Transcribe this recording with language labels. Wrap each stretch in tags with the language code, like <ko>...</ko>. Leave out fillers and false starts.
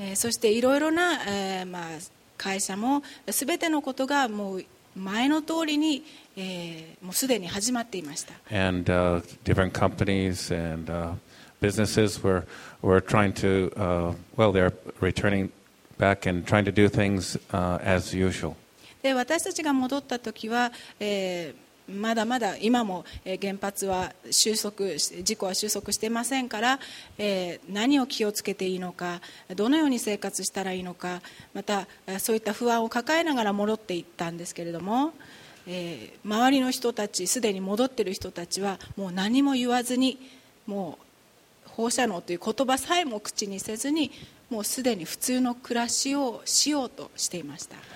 <ja>そしていろいろな、会社もすべてのことがもう前の通りに、もうすでに始まっていました。</ja> <en>And different companies and businesses were trying to they're returning back and trying to do things as usual.</en> <ja>で私たちが戻った時は、まだまだ今も原発は収束、事故は収束していませんから、何を気をつけていいのか、どのように生活したらいいのか、またそういった不安を抱えながら戻っていったんですけれども、周りの人たち、すでに戻っている人たちはもう何も言わずに、もう放射能という言葉さえも口にせずに、もうすでに普通の暮らしをしようとしていました。</ja>